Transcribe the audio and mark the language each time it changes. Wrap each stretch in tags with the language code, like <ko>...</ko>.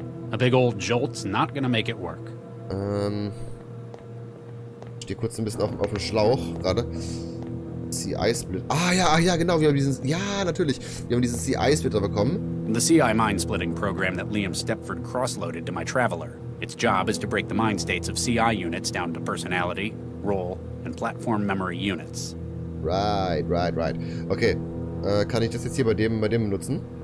<en>A big old Jolt's not gonna make it work.</en> <de>Ich stehe kurz ein bisschen auf dem Schlauch gerade. CI-Split. Ah ja, genau, wir haben diesen. Ja, natürlich. Wir haben diesen CI-Splitter bekommen.</de> <en>The CI mind-splitting program that Liam Stepford crossloaded to my traveler. Its job is to break the mind states of CI units down to personality, role, and platform memory units. Right.</en> <de>Okay, kann ich das jetzt hier bei dem benutzen?</de>